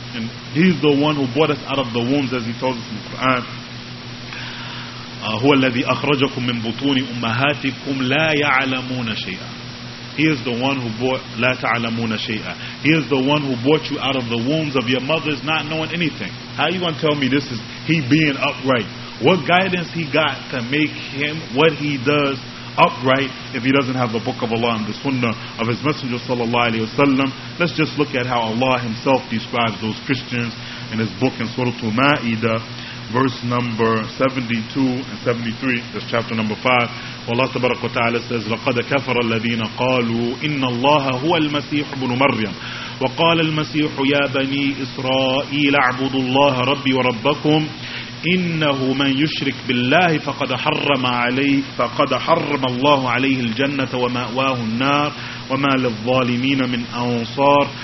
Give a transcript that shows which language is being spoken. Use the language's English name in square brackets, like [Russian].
[English] And He's the one who brought us out of the wombs, as He told us in the Quran. [Arabic] هو الذي أخرجكم من بطون أمهاتكم لا يعلمون شيئا. [English] He is the one who brought [Arabic] لَا تَعْلَمُونَ شَيْئًا. [English] He is the one who brought you out of the wombs of your mothers not knowing anything. How are you going to tell me this is He being upright? What guidance He got to make Him what He does upright if He doesn't have the book of Allah and the sunnah of His Messenger sallallahu alayhi wa sallam? Let's just look at how Allah Himself describes those Christians in His book in Surah Al-Ma'idah, verse number 72 and 73. That's chapter number 5. Allah tabarak wa ta'ala says, [Arabic] لقد كفر الذين قالوا إن الله هو المسيح ابن مريم وقال المسيح يا بني إسرائيل اعبدوا الله ربي وربكم إنه من يشرك بالله فقد حرم الله عليه الجنة ومأواه النار وما للظالمين من أنصار.